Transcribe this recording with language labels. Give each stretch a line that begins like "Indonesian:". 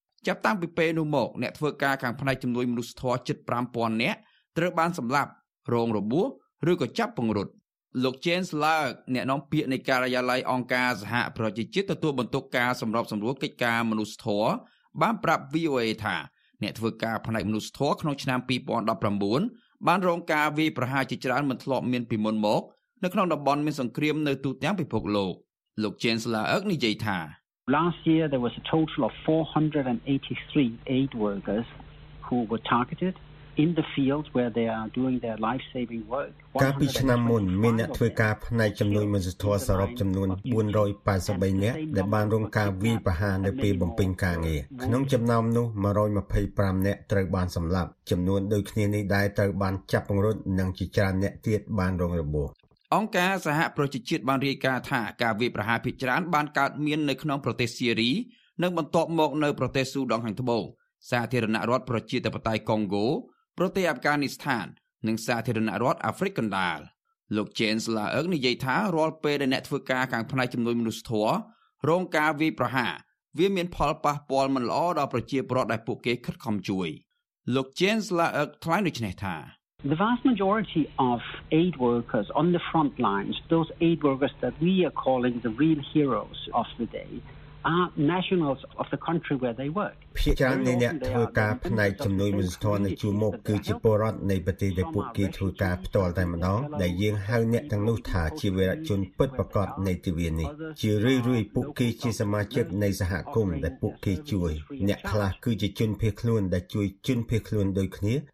Khmer: ចាប់តាំងពីពេលនោះមកអ្នកធ្វើការខាងផ្នែកជំនួយមនុស្សធម៌ជិត 5,000 នាក់ត្រូវបានសម្លាប់រងរបួសឬក៏ចាប់ពង្រត់លោក James Lark អ្នកនាំពាក្យនៃការិយាល័យអង្គការសហប្រជាជាតិទទួលបន្ទុកការសម្របសម្រួលកិច្ចការមនុស្សធម៌បានប្រាប់ VOA ថាអ្នកធ្វើការផ្នែកមនុស្សធម៌ក្នុងឆ្នាំ2019បានរងការវាយប្រហារជាច្រើនមិនធ្លាប់មានពីមុនមកនៅក្នុងតំបន់មានសង្គ្រាមនៅទូទាំងពិភពលោកលោក James Laerk និយាយថា
English: Last year there was a total of 483 aid workers who were targeted in the fields where they are doing their life-saving work.
Khmer: កាលពីឆ្នាំមុនមានអ្នកធ្វើការផ្នែកជំនួយមនុស្សធម៌សរុបចំនួន483នាក់ដែលបានរងការវាយប្រហារនៅពេលបំពេញការងារក្នុងចំណោមនោះ125នាក់ត្រូវបានសម្លាប់ចំនួនដូចគ្នានេះដែរត្រូវបានចាប់ពង្រត់និងជាច្រើនអ្នកទៀតបានរងរបួស អង្គការសហប្រជាជាតិបានរាយការណ៍ថាការវាយប្រហារភាគច្រើនបានកើតមាននៅក្នុងប្រទេសសៀរីនិងបន្ទាប់មកនៅប្រទេសស៊ូដង់ខាងត្បូងសាធារណរដ្ឋប្រជាធិបតេយ្យកុងហ្គោប្រទេសអាហ្វហ្គានីស្ថាននិងសាធារណរដ្ឋអាហ្វ្រិកកណ្ដាលលោក James Laerk និយាយថារាល់ពេលដែលអ្នកធ្វើការខាងផ្នែកជំនួយមនុស្សធម៌រងការវាយប្រហារវាមានផលប៉ះពាល់មិនល្អដល់ប្រជាពលរដ្ឋដែលពួកគេខិតខំជួយលោក James Laerk ថ្លែងដូចនេះថា
English: The vast majority of aid workers on the front lines, those aid workers that we are calling the real heroes of the day,are nationals of the country where they work.
Khmer: ភាគច្រើននៃអ្នកធ្វើការផ្នែកជំនួយមនុស្សធម៌នៅជួរមុខគឺជាពលរដ្ឋនៃប្រទេសដែលពួកគេធ្វើការផ្ទាល់តែម្ដងដែលយើងហៅអ្នកទាំងនោះថាជាវីរជនពិតប្រាកដនៃទិវានេះជារឿយៗពួកគេជាសមាជិកនៃសហគមន៍ដែលពួកគេជួយអ្នកខ្លះគឺជាជនភៀសខ្លួនដែលជួយជនភៀសខ្លួនដូចគ្នា